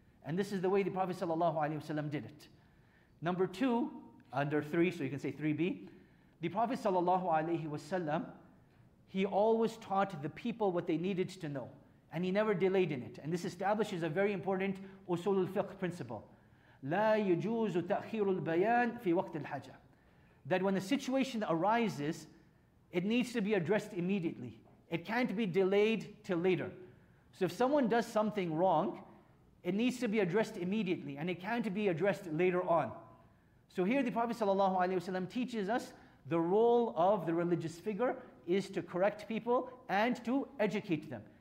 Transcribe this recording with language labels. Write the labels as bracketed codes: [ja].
[en] And this is the way the Prophet sallallahu alaihi wasallam did it. Number two, under three, so you can say 3B, the Prophet sallallahu alaihi wasallam, he always taught the people what they needed to know, and he never delayed in it. And this establishes a very important usul al-fiqh principle. [ar] لا يجوز تأخير البيان في وقت الحاجة. [en] That when a situation arises, it needs to be addressed immediately. It can't be delayed till later. So if someone does something wrong, it needs to be addressed immediately and it can't be addressed later on. So here the Prophet sallallahu alaihi wasallam teaches us the role of the religious figure is to correct people and to educate them.